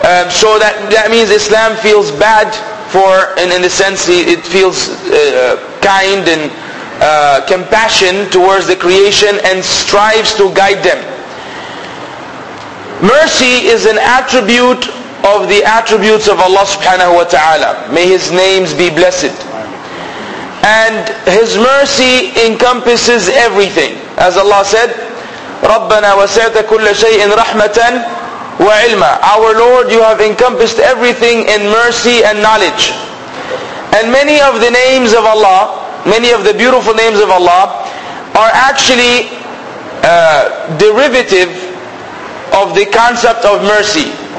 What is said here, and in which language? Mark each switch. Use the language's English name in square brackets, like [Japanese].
[English] So that means Islam feels bad for, and in a sense it feels kind and compassion towards the creation and strives to guide them. Mercy is an attribute of the attributes of Allah subhanahu wa ta'ala. May His names be blessed. And His mercy encompasses everything. As Allah said, [Arabic] رَبَّنَا وَسَعْتَ كُلَّ شَيْءٍ رَحْمَةً وَعِلْمًا. [English] Our Lord, You have encompassed everything in mercy and knowledge. And many of the names of Allah, many of the beautiful names of Allah, are actually derivative of the concept of mercy.